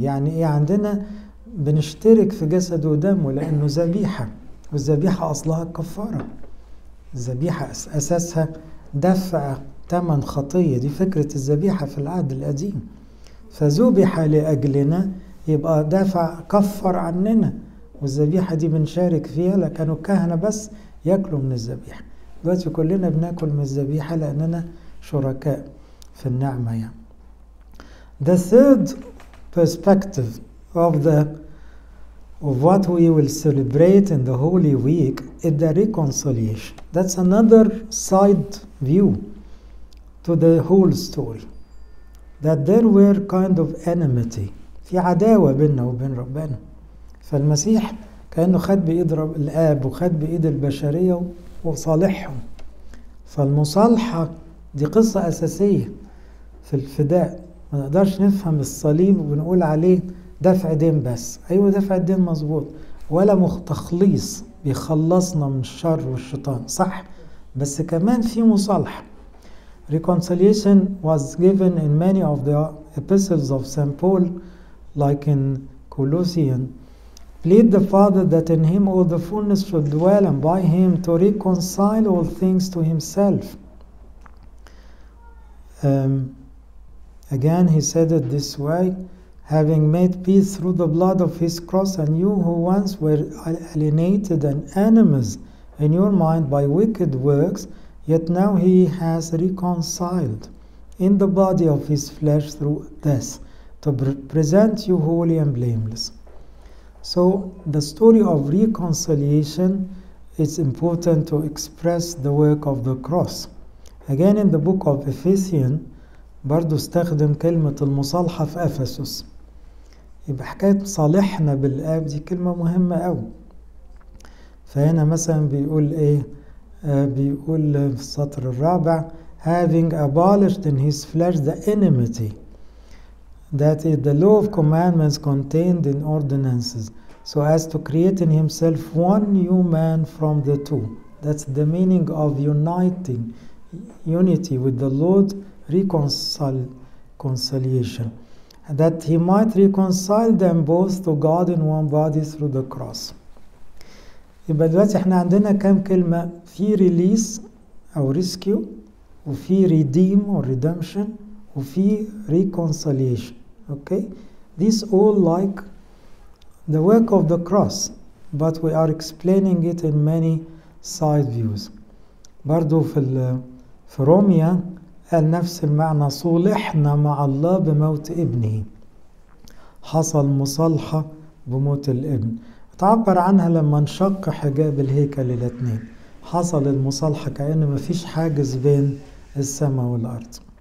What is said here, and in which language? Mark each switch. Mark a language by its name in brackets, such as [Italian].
[Arabic] يعني ايه عندنا بنشترك في جسد ودمه لأنه ذبيحة والذبيحة أصلها كفارة الذبيحة أساسها دفع ثمن خطية دي فكرة الذبيحة في العهد القديم فذبح لأجلنا يبقى دفع كفر عننا والذبيحة دي بنشارك فيها لكانوا الكهنة بس يأكلوا من الذبيحة دلوقتي كلنا بناكل من الذبيحة لأننا شركاء في النعمة يعني. [English] The third perspective of what we will celebrate in the Holy Week is the reconciliation. That's another side view to the whole story. That there were kind of enmity. [Arabic] في عداوة بيننا وبين ربنا. فالمسيح كأنه خد بإيد الآب وخد بإيد البشرية وصالحهم. فالمصالحة دي قصة أساسية في الفداء. ما نقدرش نفهم الصليب ونقول عليه دفع دين بس. أيوة دفع الدين مظبوط. ولا تخليص بيخلصنا من الشر والشيطان. صح. بس كمان في مصالحة. [English] Reconciliation was given in many of the epistles of St. Paul, like in Colossians. Plead the Father that in him all the fullness should dwell and by him to reconcile all things to himself. Again, he said it this way, having made peace through the blood of his cross and you who once were alienated and enemies in your mind by wicked works, yet now he has reconciled in the body of his flesh through death to present you holy and blameless. So the story of reconciliation is important to express the work of the cross. Again in the book of Ephesians, [Arabic] برضو استخدم كلمة المصالحة في أفسس. يبقى حكاية صالحنا بالآب دي كلمة مهمة قوي. فهنا مثلا بيقول إيه؟ بيقول في السطر الرابع [English] having abolished in his flesh the enmity that is the law of commandments contained in ordinances so as to create in himself one new man from the two that's the meaning of uniting unity with the Lord reconciliation that he might reconcile them both to God in one body through the cross. [Arabic] يبقى دلوقتي احنا عندنا كام كلمة في release او rescue وفي redeem or redemption وفي reconciliation. [English] Okay, these all like the work of the cross but we are explaining it in many side views. [Arabic] برضو في روميا قال نفس المعنى صلحنا مع الله بموت ابنه حصل مصالحة بموت الابن تعبر عنها لما انشق حجاب الهيكل الاثنين حصل المصالحة كأن ما فيش حاجز بين السماء والأرض.